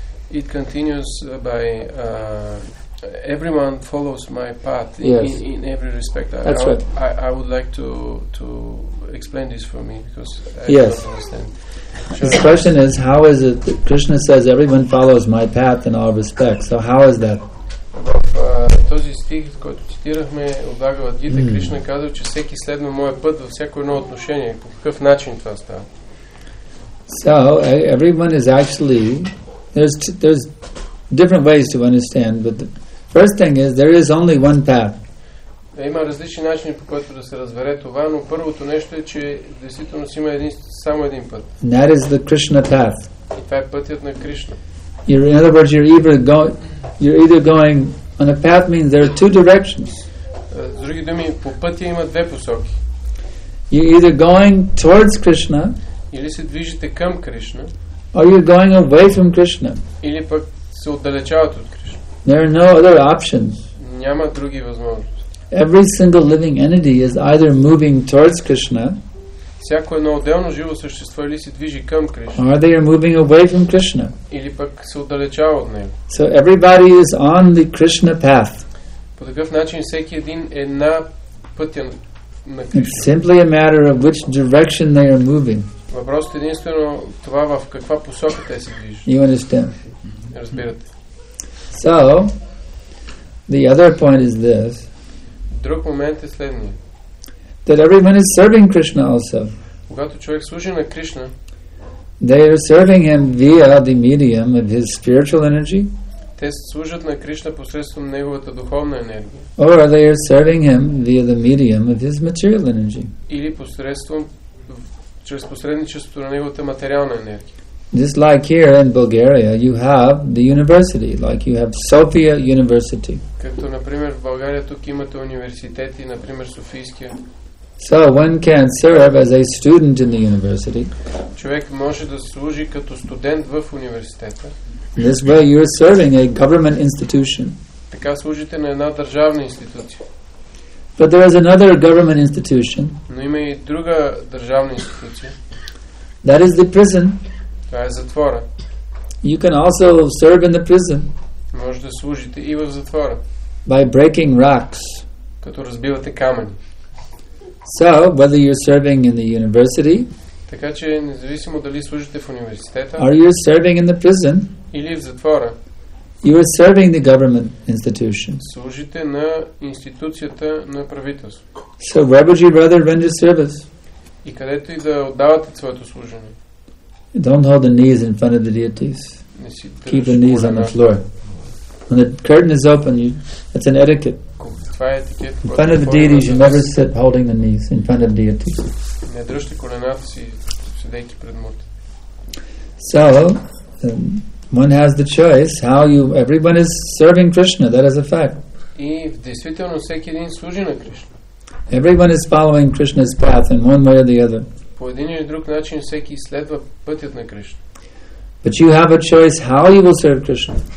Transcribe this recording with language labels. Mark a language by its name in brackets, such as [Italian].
[English] It continues by everyone follows my path in every respect. I would like to explain this for me because I don't understand. Sure. The question is, how is it that Krishna says everyone follows my path in all respects? So how is that? Of [Bulgarian] този стих, който цитирахме от Бхагавад Гита, Кришна казва, че всеки следва моя път във всяко едно отношение. По какъв начин това става? [English] So, everyone is actually, there's different ways to understand, but the first thing is, there is only one path. [Bulgarian] Има различни начини, по които да се разбере това, но първото нещо е, че действително си има само един път. [English] And that is the Krishna path. [Bulgarian] И това е пътят на Кришна. [English] In other words, you're either going on a path means there are two directions. [Bulgarian] С други думи, по пътя има две посоки. [English] You're either going towards Krishna, [Bulgarian] или се движите към Кришна, [English] or you're going away from Krishna. [Bulgarian] Или пък се отдалечавате от Кришна. [English] There are no other options. [Bulgarian] Няма други възможности. [English] Every single living entity is either moving towards Krishna. [Bulgarian] Всяко едно отделно живо същество или се движи към Кришна. [English] Or they are moving away from Krishna. [Bulgarian] Или пък се отдалечава от него. [English] So everybody is on the Krishna path. [Bulgarian] По такъв начин всеки един е на пътя на Кришна. [English] It's simply a matter of which direction they are moving. [Bulgarian] Въпросът е единствено това в каква посока те се движат. [English] You understand? [Bulgarian] Разбирате. [English] So the other point is this. [Bulgarian] Друг момент е следния. [English] That everyone is serving Krishna also. [Bulgarian] Когато човек служи на Кришна, [English] they are serving him via the medium of his spiritual energy. [Bulgarian] Те служат на Кришна посредством неговата духовна енергия. [English] Or they are serving him via the medium of his material energy. [Bulgarian] Или посредством чрез посредничеството на неговата материална енергия. [English] Just like here in Bulgaria, you have the university, like you have Sofia University. [Bulgarian] Като например в България тук имате университети, например Софийския. [English] So one can serve as a student in the university. [Bulgarian] Човек може да служи като студент в университета. [English] This way you are serving a government institution. [Bulgarian] Така служите на една държавна институция. [English] But there is another government institution. [Bulgarian] Но има и друга държавна институция. [English] That is the prison. [Bulgarian] Това е затвора. [English] You can also serve in the prison. [Bulgarian] Може да служите и в затвора. [English] By breaking rocks. [Bulgarian] Като разбивате камъни. [English] So, whether you're serving in the university, [Bulgarian] така че независимо дали служите в университета, [English] or you're serving in the prison, [Bulgarian] или в затвора, [English] you are serving the government institution. [Bulgarian] Служите на институцията на правителство. [English] So, where would you rather render service? [Bulgarian] И където и да отдавате своето служение. [English] Don't hold the knees in front of the deities. Keep the knees on the floor. When the curtain is open, it's an etiquette. In front of the deities, you never sit holding the knees in front of deities. [Bulgarian] Не дръжте колената си, седейки пред мурти. [English] So, one has the choice how you, everyone is serving Krishna, that is a fact. [Bulgarian] И действително всеки един служи на Кришна. [English] Everyone is following Krishna's path in one way or the other. [Bulgarian] По един или друг начин всеки следва пътят на Кришна. [English] But you have a choice how you will serve Krishna.